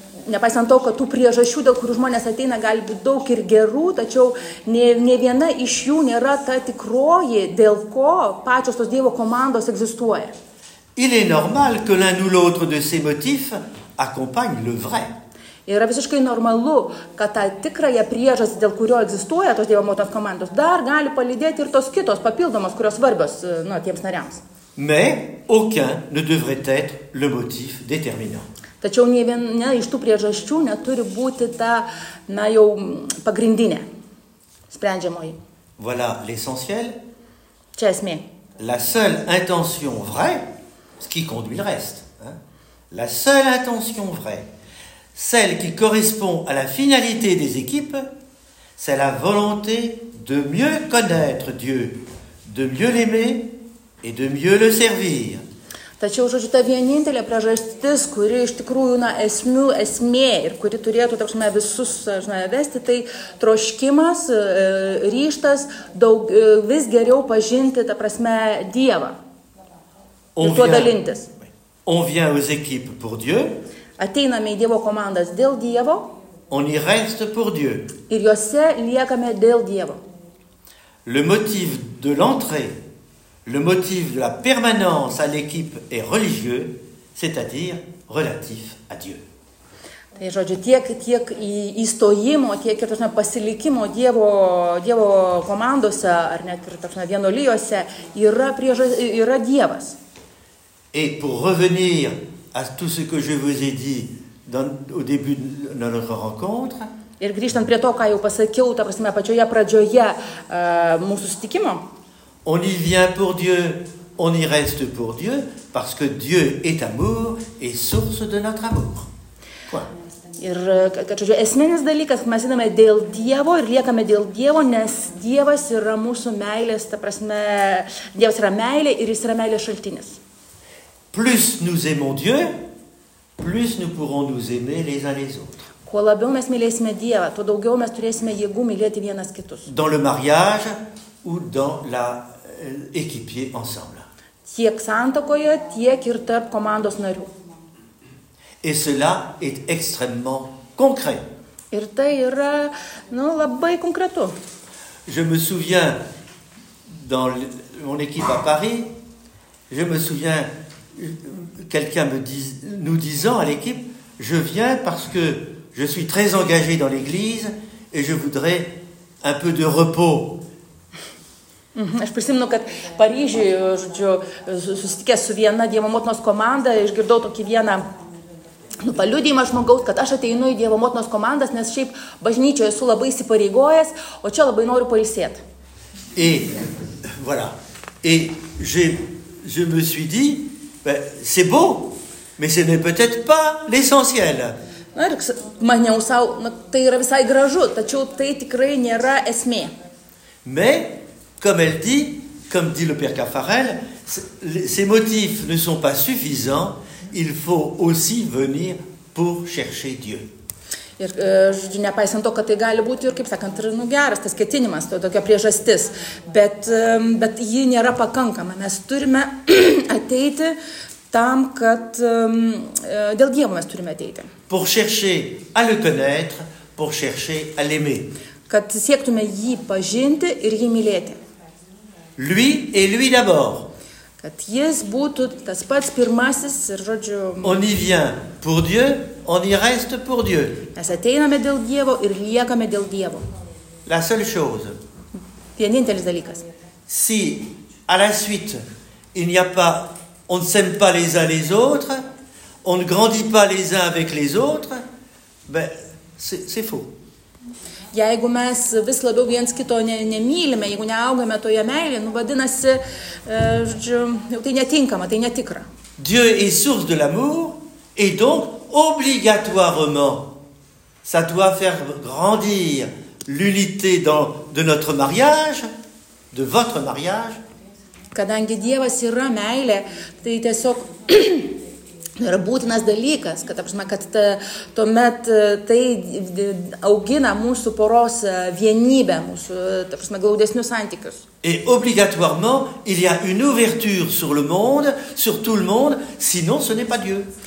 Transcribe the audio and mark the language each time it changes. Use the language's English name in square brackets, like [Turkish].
[Lithuanian] Nepaisant to, kad tų priežasčių, dėl kurių žmonės ateina, gali būti daug ir gerų, tačiau ne viena iš jų nėra ta tikroji, dėl ko pačios tos Dievo komandos egzistuoja. [French] Il est normal que l'un ou l'autre de ces motifs accompagne le vrai. [Lithuanian] Yra visiškai normalu, kad ta tikraja priežasti, dėl kurio egzistuoja tos Dievo motinos komandos, dar gali palydėti ir tos kitos papildomos, kurios svarbios tiems nariams. [French] Mais aucun ne devrait être le motif déterminant. [Lithuanian] Tačiau nei viena iš tų priežasčių neturi būti ta, na jau, pagrindinė, sprendžiamoji. [French] Voilà l'essentiel. [Lithuanian] Čia esmė. [French] La seule intention vraie, ce qui conduit le reste. Hein? La seule intention vraie, celle qui correspond à la finalité des équipes, c'est la volonté de mieux connaître Dieu, de mieux l'aimer et de mieux le servir. [Lithuanian] Tačiau, žodžiu, ta vienintelė priežastis, kuri iš tikrųjų, na, esmė ir kuri turėtų, taip žinai, visus, žinai, vesti, tai troškimas, ryštas, daug, vis geriau pažinti, ta prasme, Dievą. Ir tuo dalintis. [French] On vient aux équipes pour Dieu. [Lithuanian] Ateiname į Dievo komandas dėl Dievo. [French] On y reste pour Dieu. [Lithuanian] Ir juose liekame dėl Dievo. [French] Le motif de l'entrée. Le motif de la permanence à l'équipe est religieux, c'est-à-dire relatif à Dieu. [Lithuanian] Tai žodžiu, tiek įstojimo, tiek ir tarsi pasilikimo Dievo komandose, ar net ir tarsi vienolijose, yra Dievas. [French] Et pour revenir à tout ce que je vous ai dit au début de notre rencontre. [Lithuanian] Ir grįžtant prie to, ką jau pasakiau, ta prasme, pačioje pradžioje mūsų susitikimo. [French] On y vient pour Dieu, on y reste pour Dieu, parce que Dieu est amour et source de notre amour. Quoi? [Lithuanian] Ir, kažkodžiu, esminis dalykas, mes einame dėl Dievo ir liekame dėl Dievo, nes Dievas yra mūsų meilės, ta prasme, Dievas yra meilė ir jis yra meilės šaltinis. [French] Plus nous aimons Dieu, plus nous pourrons nous aimer les uns les autres. [Lithuanian] Kuo labiau mes mylėsime Dievą, tuo daugiau mes turėsime jėgų mylėti vienas kitus. [French] Dans le mariage, ou dans la équipier ensemble. [Lithuanian] Tiek santokoje, tiek ir tarp komandos narių. [French] Et cela est extrêmement concret. [Lithuanian] Ir tai yra, nu, labai konkretu. [French] Je me souviens dans mon équipe à Paris, je me souviens quelqu'un nous disant à l'équipe, je viens parce que je suis très engagé dans l'église et je voudrais un peu de repos. [Lithuanian] Aš prisimenu, kad Paryžiuje, žodžiu, susitikęs su viena Dievo motinos komanda, išgirdau tokį vieną paliudimą žmogaus, kad aš ateinu į Dievo motinos komandas, nes šiaip bažnyčioje esu labai įsipareigojęs, o čia labai noriu pailsėti. [French] Et voilà. Et je me suis dit, ben, c'est beau, mais ce n'est peut-être pas l'essentiel. [Lithuanian] Na ir maniau sau, na, tai yra visai gražu, tačiau tai tikrai nėra esmė. [French] Mais comme elle dit, comme dit le père Caffarel, ces motifs ne sont pas suffisants, il faut aussi venir pour chercher Dieu. [Lithuanian] Ir žodžiu, nepaisant to, kad tai gali būti ir, kaip sakant, ir, nu, geras tas ketinimas, to tokia priežastis, bet ji nėra pakankama. Mes turime ateiti tam, kad dėl Dievo mes turime ateiti. [French] Pour chercher à le connaître, pour chercher à l'aimer. [Lithuanian] Kad siektume jį pažinti ir jį mylėti. [French] Lui et lui d'abord. [Lithuanian] Kad jis būtų tas pats pirmasis ir, žodžiu, [French] on y vient pour Dieu, on y reste pour Dieu. [Lithuanian] Mes ateiname dėl Dievo ir liekame dėl Dievo. [French] La seule chose. [Lithuanian] Vienintelis dalykas. [French] si à la suite il n'y a pas, on ne s'aime pas les uns les autres, on ne grandit pas les uns avec les autres, ben c'est faux. [Lithuanian] Jeigu mes vis labiau viens kito nemylime, jeigu neaugame toje meilė, nu vadinasi, žodžiu, tai netinkama, tai netikra. [French] Dieu est source de l'amour et donc obligatoirement ça doit faire grandir l'unité dans de notre mariage, de votre mariage. [Lithuanian] Kadangi Dievas yra meilė, tai tiesiog yra būtinas dalykas, kad, apžinoma, kad ta, tuomet tai augina mūsų poros vienybę, mūsų, apžinoma, glaudesnius santykius. [French] Et obligatoirement, il y a une ouverture sur le monde, sur tout le monde, sinon ce n'est pas Dieu.